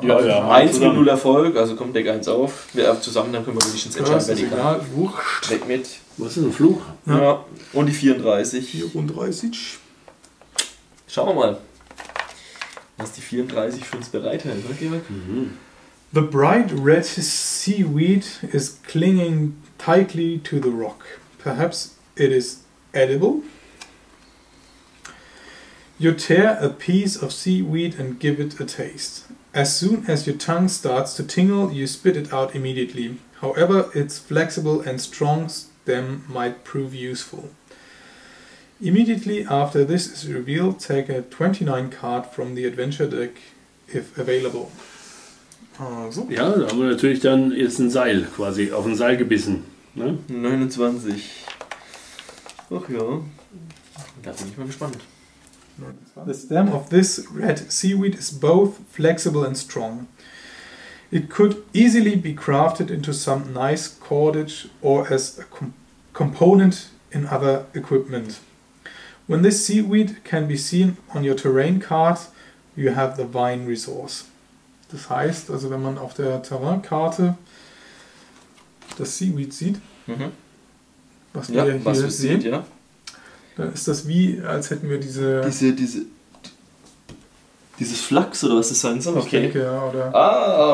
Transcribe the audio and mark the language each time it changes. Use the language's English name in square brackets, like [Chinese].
[German] Ja, also, ja. 1-0 Erfolg, also kommt Deck 1 auf. Wir zusammen, dann können wir wenigstens entscheiden, wer die kann. Wurscht. Weg mit. Was ist ein Fluch? Ja. Und die 34. 34. Schauen wir mal, was die 34 für uns bereithält, oder Georg? Mhm. [English] The bright red seaweed is clinging tightly to the rock. Perhaps it is edible. You tear a piece of seaweed and give it a taste. As soon as your tongue starts to tingle, you spit it out immediately. However, its flexible and strong stem might prove useful. Immediately after this is revealed, take a 29 card from the adventure deck if available. [German] Also. Ja, da haben wir natürlich dann jetzt ein Seil, quasi auf ein Seil gebissen. Ne? 29. Ach ja, da bin ich mal gespannt. The stem of this red seaweed is both flexible and strong. It could easily be crafted into some nice cordage or as a component in other equipment. When this seaweed can be seen on your terrain card, you have the vine resource. Das heißt, also wenn man auf der Terrain-Karte das Seaweed sieht, was wir hier was sehen, sieht, ja. Dann ist das wie, als hätten wir diese... Dieses Flachs oder was das sein soll? Okay. Denke, ja, oder